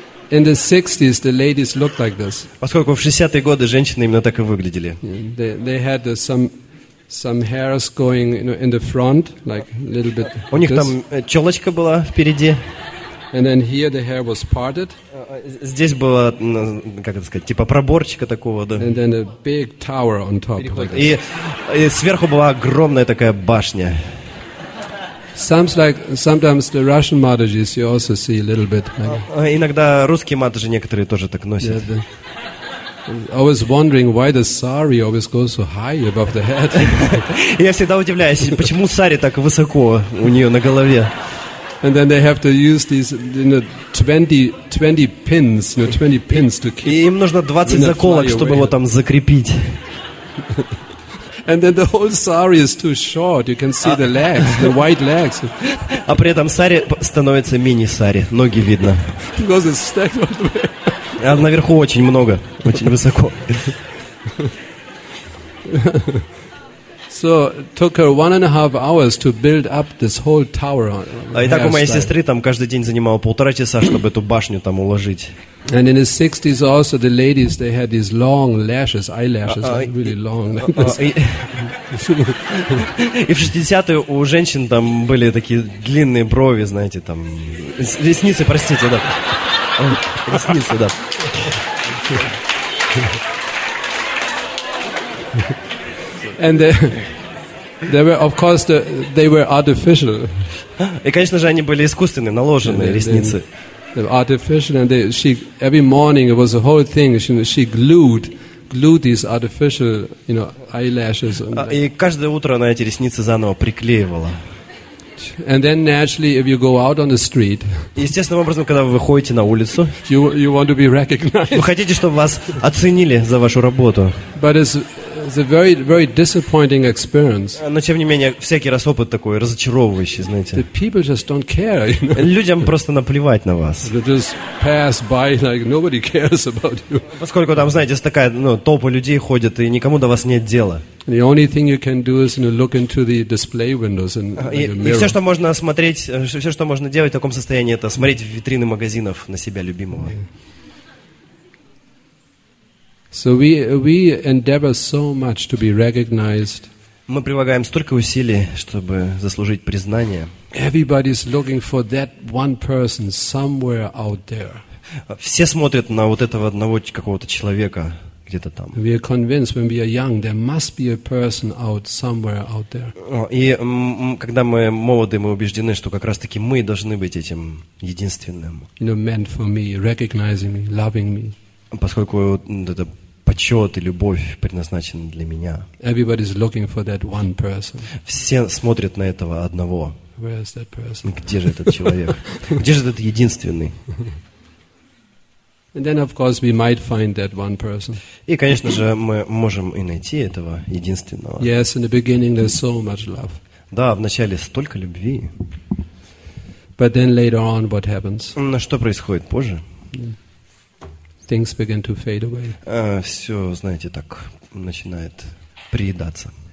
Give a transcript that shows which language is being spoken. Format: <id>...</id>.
<en>In the 60s, the ladies looked like this.</en> <ru>Поскольку в 60-е годы женщины именно так и выглядели.</ru> <en>They had some hairs going, you know, in the front, like a little bit.</en> <ru>У них там челочка была впереди.</ru> <en>And then here the hair was parted.</en> <ru>Здесь было, как это сказать, типа проборчика такого, да.</ru> <en>And then a big tower on top.</en> <ru>И сверху была огромная такая башня.</ru> <en>Sometimes the Russian madhajis you also see a little bit.</en> <ru>Иногда русские матажи некоторые тоже так носят.</ru> <en>Yeah, I was wondering why the sari always goes so high above the head.</en> <ru>Я всегда удивляюсь, почему сари так высоко у нее на голове.</ru> <en>And then they have to use these, you know, 20 pins, you know, 20 pins to keep.</en> <ru>И им нужно 20 заколок, чтобы его там закрепить.</ru> <en>And then the whole sari is too short. You can see the legs, the white legs.</en> <ru>А при этом сари становится мини-сари, ноги видно.</ru> <en>Because it's stacked all the way.</en> <ru>А наверху очень много, очень высоко.</ru> <en>So it took her 1.5 hours to build up this whole tower.</en> <ru>Итак, у моей сестры там каждый день занимало полтора часа, чтобы эту башню там уложить.</ru> <en>And in the 60s also the ladies they had these long lashes, eyelashes, really long.</en> <ru>И в 60-е у женщин там были такие длинные брови, знаете, там ресницы, простите, да. Ресницы, да.</ru> <en>And they were artificial.</en> <ru>И, конечно же, они были искусственные, наложенные ресницы.</ru> <en>Artificial, and every morning it was a whole thing. She glued these artificial, you know, eyelashes.</en> <ru>И каждое утро она эти ресницы заново приклеивала.</ru> <en>And then naturally, if you go out on the street,</en> <ru>естественным образом, когда вы выходите на улицу,</ru> <en>you want to be recognized.</en> <ru>Вы хотите, чтобы вас оценили за вашу работу.</ru> <en>But it's a very, very disappointing experience.</en> <ru>Но тем не менее всякий раз опыт такой разочаровывающий, знаете.</ru> <en>The people just don't care. You know?</en> <ru>Людям просто наплевать на вас.</ru> <en>They just pass by like nobody cares about you.</en> <ru>Поскольку там, знаете, такая, ну, толпа людей ходит, и никому до вас нет дела.</ru> <en>The only thing you can do is, you know, look into the display windows and mirror.</en> <ru>И все, что можно смотреть, все, что можно делать в таком состоянии, это смотреть в витрины магазинов на себя любимого.</ru> <en>So we endeavor so much to be recognized.</en> <ru>Мы прилагаем столько усилий, чтобы заслужить признание.</ru> <en>Everybody is looking for that one person somewhere out there.</en> <ru>Все смотрят на вот этого одного какого-то человека где-то там.</ru> <en>We are convinced when we are young there must be a person out somewhere out there.</en> <ru>И когда мы молоды, мы убеждены, что как раз-таки мы должны быть этим единственным.</ru> <en>You know, meant for me, recognizing me, loving me.</en> <ru>Поскольку вот это почет и любовь предназначены для меня.</ru> <en>Everybody's looking for that one person.</en> <ru>Все смотрят на этого одного.</ru> <en>Where is that person?</en> <ru>Где же этот человек? Где же этот единственный?</ru> <en>And then, of course, we might find that one person.</en> <ru>И, конечно же, мы можем и найти этого единственного.</ru> <en>Yes, in the beginning there's so much love.</en> <ru>Да, вначале столько любви.</ru> <en>But then later on, what happens?</en> <ru>Но что происходит позже?</ru> <en>Things begin to fade away.</en> <ru>Все, знаете, так начинает приедаться.</ru>